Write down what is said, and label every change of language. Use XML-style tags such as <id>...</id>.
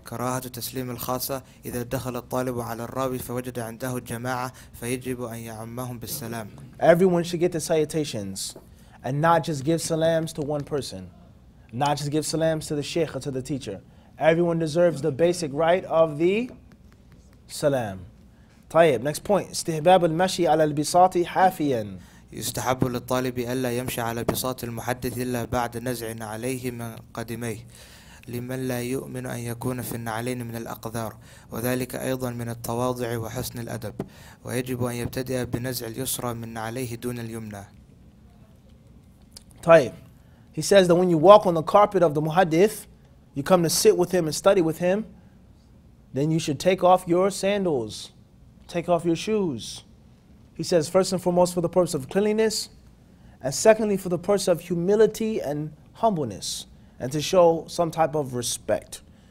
<ar>كراهة تسليم الخاصة إذا دخل الطالب على الراوي فوجد عنده الجماعة فيجب أن يعمهم بالسلام</ar> <en>Everyone should get the salutations and not just give salams to one person not just give salams to the sheikh or to the teacher Everyone deserves the basic right of the salam طيب next point</en> <ar>استحباب المشي على البساط حافيا يستحب للطالب ألا يمشي على بساط المحدث إلا بعد نزع عليه من قدميه لمن لا يؤمن أن يكون في النعلين من الأقذار وذلك أيضا من التواضع وحسن الأدب ويجب أن يبتدئ بنزع اليسرى من نعليه دون اليمنى</ar> <en>طيب He says that when you walk on the carpet of the muhaddith you come to sit with him and study with him then you should take off your sandals take off your shoes He says first and foremost for the purpose of cleanliness and secondly for the purpose of humility and humbleness and to show some type of respect.</en>